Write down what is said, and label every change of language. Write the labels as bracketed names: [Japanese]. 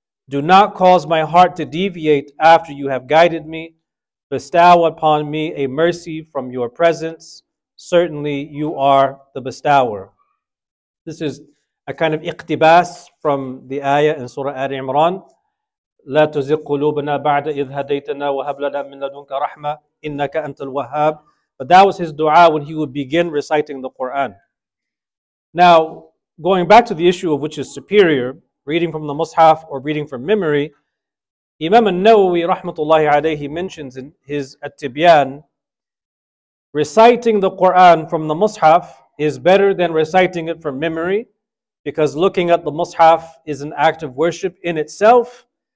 [English] Do not cause my heart to deviate after you have guided me. Bestow upon me a mercy from your presence. Certainly you are the bestower. This is a kind of iqtibas from the ayah in Surah Ali Imran. [Arabic] لا تزغ قلوبنا بعد إذ هديتنا وهب لنا من لدنك رحمة إنك أنت الوهاب. [English] But that was his dua when he would begin reciting the Quran. Now, going back to the issue of which is superior, reading from the Mus'haf or reading from memory, Imam An-Nawawi rahmatullahi alayhi mentions in his At-Tibyan, reciting the Quran from the Mus'haf is better than reciting it from memory, because looking at the Mus'haf is an act of worship in itself.